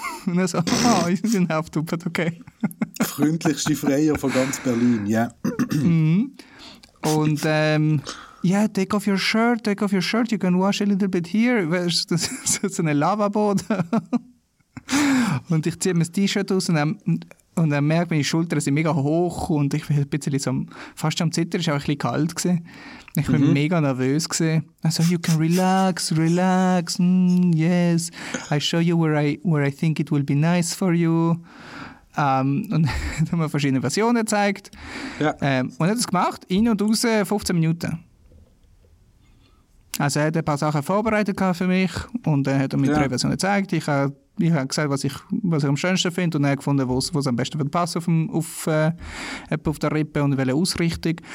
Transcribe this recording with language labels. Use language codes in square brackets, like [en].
[de] Und er so, [en] oh, you didn't have to, but okay. [de] Freundlichste Freier von ganz Berlin, ja. Yeah. Mm-hmm. Und [en] take off your shirt, you can wash a little bit here. [de] Das ist so eine Lavaboden. Und ich ziehe mir das T-Shirt aus und er merkt, meine Schultern sind mega hoch und ich bin ein bisschen so, fast am Zittern, es war auch ein bisschen kalt gewesen. Ich war mega nervös. Also, [en] you can relax, yes. I show you where I think it will be nice for you. [de] Und dann haben wir verschiedene Versionen gezeigt. Ja. Und hat es gemacht, in und aus 15 Minuten. Also, er hat ein paar Sachen vorbereitet für mich und hat mir drei Versionen gezeigt. Ich habe gesagt, was ich am schönsten finde und dann gefunden, was am besten passt auf der Rippe und welche Ausrichtung.